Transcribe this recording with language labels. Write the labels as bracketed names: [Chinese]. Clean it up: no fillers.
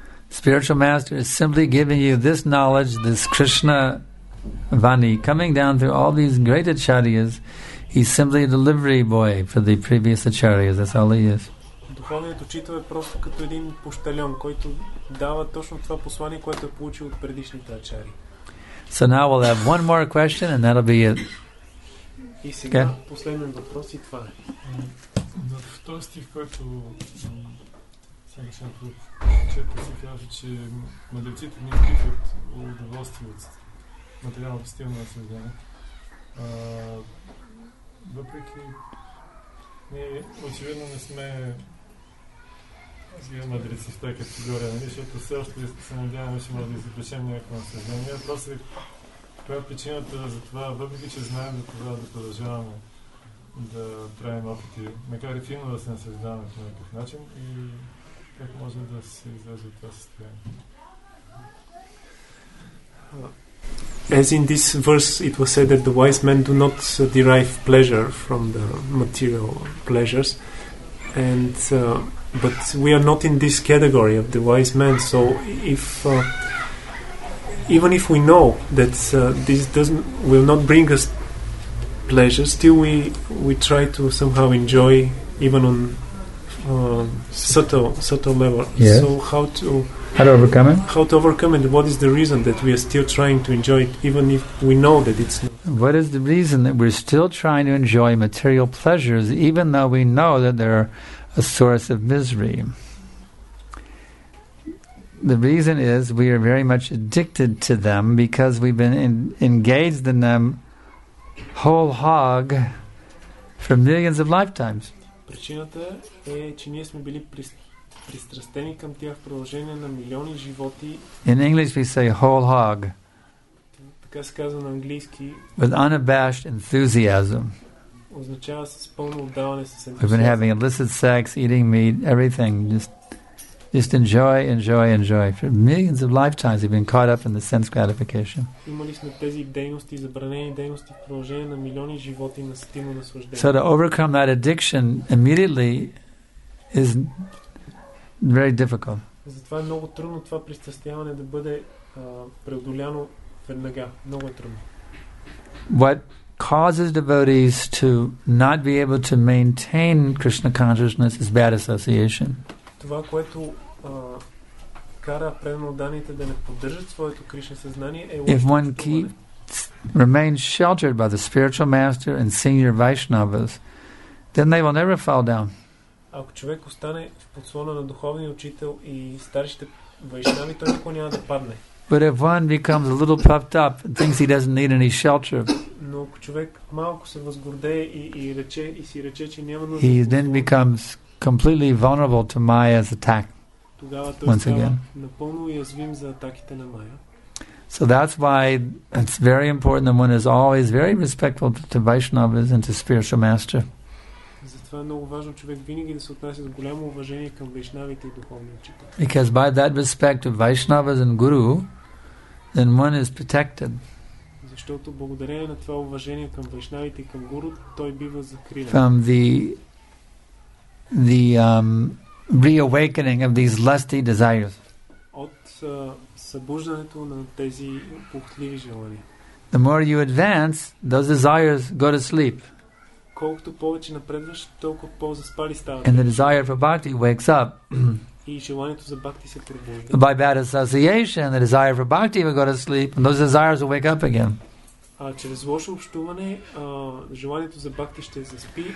[English] Spiritual master is simply giving you this knowledge, this Krishna Vani, coming down through all these great acharyas, he's simply a delivery boy for the previous acharyas. That's all he is. [Bulgarian] Духовният учител е просто като един пощальон, който дава точно това послание, което е получил от предишните ачари. [English] So now we'll have one more question and that'll be it. [Bulgarian] И сега последен въпрос и това е. В този стих, който сега се казва, че мъдреците не изпитват удоволствие от материално постигане на създание. Въпреки ние очевидно не сме мъдреци в тази категория, нали? Защото все още се надяваме, че може да изпечем някакво на създание. Просто ви, коя е причината за това, въпреки че знаем за това да продължаваме да правим опити, макар и фино да се насъждаваме по някакъв начин и как може да се излезе от това състояние? [English] As in this verse, it was said that the wise men do not derive pleasure from the material pleasures, and but we are not in this category of the wise men. So, if even if we know that this doesn't will not bring us pleasure, still we try to somehow enjoy even on subtle level. Yes. So how to? How to overcome it? How to overcome it? What is the reason that we are still trying to enjoy it, even if we know that it's not? What is the reason that we're still trying to enjoy material pleasures, even though we know that they're a source of misery? The reason is we are very much addicted to them because we've been engaged in them whole hog for millions of lifetimes. [Bulgarian] Причината е, че ние сме били пристрастени към тях в продължение на милиони животи. [English] In English we say whole hog. [Bulgarian] Така се казва на английски. [English] With unabashed enthusiasm. [Bulgarian] Означава с пълно отдаване, с ентусиазъм. [English] We've been having illicit sex, eating meat, everything. Just enjoy, enjoy, enjoy. For millions of lifetimes we've been caught up in the sense gratification. [Bulgarian] Имали сме тези дейности, забранени дейности в продължение на милиони животи на сетивно наслаждение. [English] So to overcome that addiction immediately is very difficult. [Bulgarian] Затова е много трудно това пристрастяване да бъде преодоляно веднага. Много трудно. [English] What causes devotees to not be able to maintain Krishna consciousness is bad association. [Bulgarian] Това, което кара преданите да не поддържат своето Кришна съзнание, е [English] if one keeps remains sheltered by the spiritual master and senior Vaishnavas, then they will never fall down. [Bulgarian] Ако човек остане в подслона на духовния учител и старшите вайшнави, той никога няма да падне. [English] But if one becomes a little puffed up and thinks he doesn't need any shelter, [Bulgarian] но ако човек малко се възгордее и рече, че няма нужда, [English] he then becomes completely vulnerable to Maya's attack. [Bulgarian] Тогава той [English] once again. [Bulgarian] Напълно уязвим за атаките на Майя. [English] So that's why it's very important that one is always very respectful to Vaishnavas and to spiritual master. [Bulgarian] Затова е много важно човек винаги да се отнася с голямо уважение към вайшнавите и духовния учител. [English] Because by that respect of Vaishnavas and Guru, then one is protected. [Bulgarian] Защото благодарение на това уважение към вайшнавите и към Гуру, той бива закрилен. [English] From the reawakening of these lusty desires. [Bulgarian] От събуждането на тези похотливи желания. [English] The more you advance, those desires go to sleep. [Bulgarian] Колкото повече напредваш, толкова по-заспали ставате. [English] And the desire for bhakti wakes up. [Bulgarian] И желанието за бхакти се пробужда. [English] By bad association, the desire for bhakti will go to sleep, and those desires will wake up again. [Bulgarian] А чрез лошо общуване, желанието за бхакти ще заспи,